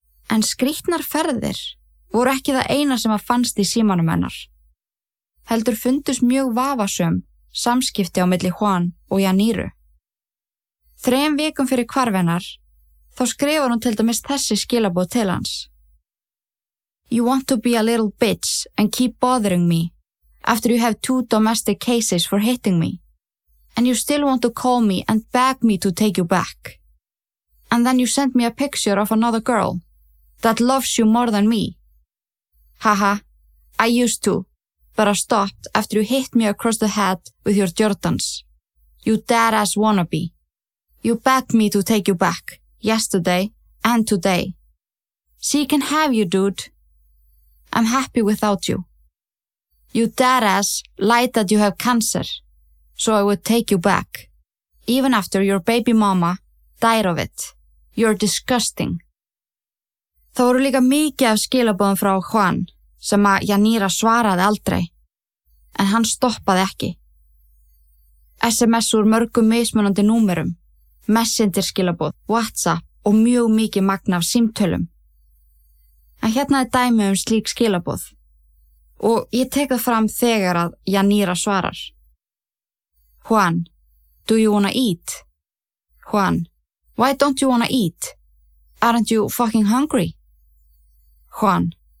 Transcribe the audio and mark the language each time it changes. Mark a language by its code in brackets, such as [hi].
[is] En skrýtnar ferðir voru ekki það eina sem að fannst í símanum hennar. Heldur fundust mjög vafasöm samskipti á milli Juan og Janíru. 3 vikum fyrir hvarfinnar, þá skrifar hún til dæmis þessi skilaboð til hans. [en] You want to be a little bitch and keep bothering me after you have 2 domestic cases for hitting me. And you still want to call me and beg me to take you back. And then you send me a picture of another girl that loves you more than me. Haha, I used to. Bara stopped after you hit me across the head with your Jordans. You dead ass wannabe. You begged me to take you back, yesterday and today. She can have you, dude. I'm happy without you. You dead ass lied that you have cancer, so I would take you back. Even after your baby mama died of it. You're disgusting. [is] Það voru líka mikið af skilaboðum frá Juan. Sem að Janíra svaraði aldrei, en hann stoppaði ekki. SMS úr mörgum mismunandi númerum, messenger skilaboð, WhatsApp og mjög mikið magna af símtölum. En hérna er dæmi slík skilaboð og ég tek það fram þegar að Janíra svarar. [en] Juan, do you wanna eat? Juan, why don't you wanna eat? Aren't you fucking hungry? Juan,